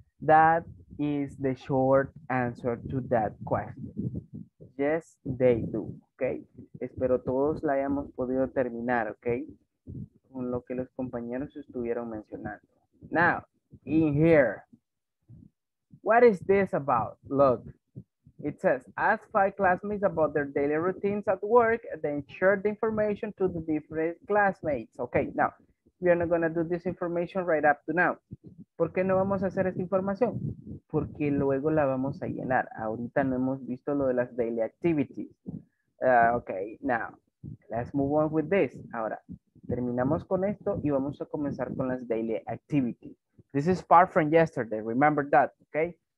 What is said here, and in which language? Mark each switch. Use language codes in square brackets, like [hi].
[en] That is the short answer to that question. Yes, they do. Okay. [es] Espero todos la hayamos podido terminar, ok, con lo que los compañeros estuvieron mencionando. [en] Now, in here, what is this about? Look, it says, ask five classmates about their daily routines at work, then share the information to the different classmates. Ok, now, we are not going to do this information right up to now. [es] ¿Por qué no vamos a hacer esta información? Porque luego la vamos a llenar. Ahorita no hemos visto lo de las [en] daily activities. Okay, now, let's move on with this. [es] Ahora, terminamos con esto y vamos a comenzar con las daily activities. [en] This is part from yesterday, remember that, okay?